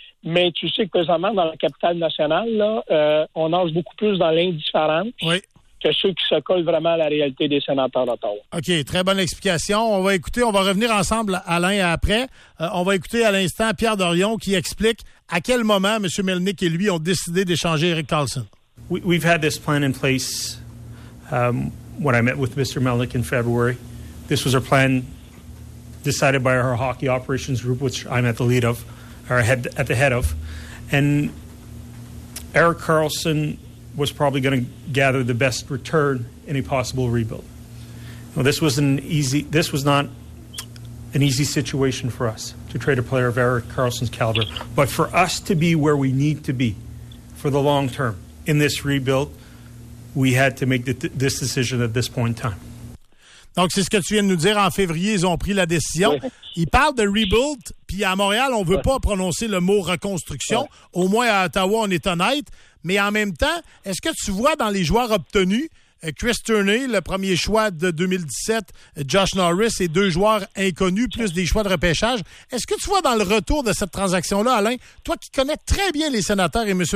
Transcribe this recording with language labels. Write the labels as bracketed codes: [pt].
[fr] Mais tu sais que présentement, dans la capitale nationale, là, on nage beaucoup plus dans l'indifférence que ceux qui se collent vraiment à la réalité des sénateurs d'Ottawa. OK, très bonne explication. On va écouter, on va revenir ensemble, Alain, après. On va écouter à l'instant Pierre Dorion qui explique à quel moment M. Melnyk et lui ont décidé d'échanger Éric Karlsson. [en] We've had this plan in place when I met with Mr. Melnyk in February. This was our plan decided by our hockey operations group, which I'm at the lead of. At the head of, and Eric Karlsson was probably going to gather the best return in a possible rebuild. Now, this was not an easy situation for us to trade a player of Eric Karlsson's caliber, but for us to be where we need to be for the long term in this rebuild, we had to make this decision at this point in time. [fr] Donc, c'est ce que tu viens de nous dire. En février, ils ont pris la décision. Ils parlent de rebuild, puis à Montréal, on ne veut pas prononcer le mot reconstruction. Au moins, à Ottawa, on est honnête. Mais en même temps, est-ce que tu vois dans les joueurs obtenus, Chris Tierney, le premier choix de 2017, Josh Norris et deux joueurs inconnus, plus des choix de repêchage, est-ce que tu vois dans le retour de cette transaction-là, Alain, toi qui connais très bien les sénateurs et M.